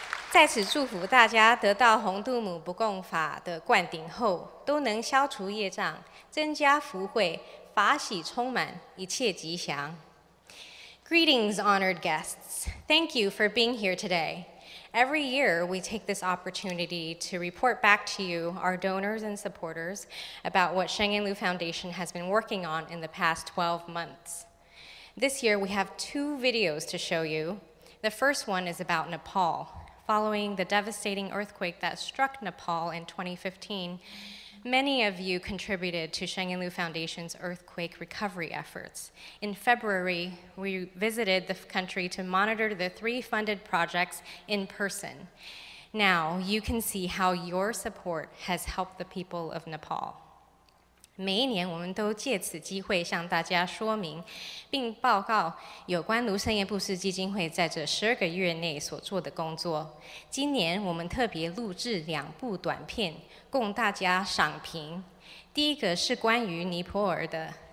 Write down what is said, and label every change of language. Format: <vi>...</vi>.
<zh>在此祝福大家得到弘度母不共法的灌顶后，都能消除业障，增加福慧，法喜充满，一切吉祥。</zh> <en>Greetings, honored guests. Thank you for being here today. Every year, we take this opportunity to report back to you, our donors and supporters, about what Sheng Yin Liu Foundation has been working on in the past 12 months. This year, we have two videos to show you. The first one is about Nepal. Following the devastating earthquake that struck Nepal in 2015, many of you contributed to Sheng Yin Liu Foundation's earthquake recovery efforts. In February, we visited the country to monitor the three funded projects in person. Now, you can see how your support has helped the people of Nepal.</en> <zh>每一年我们都借此机会向大家说明并报告有关卢生燕布施基金会在这12个月内所做的工作。今年我们特别录制两部短片供大家赏评，第一个是关于尼泊尔的。</zh>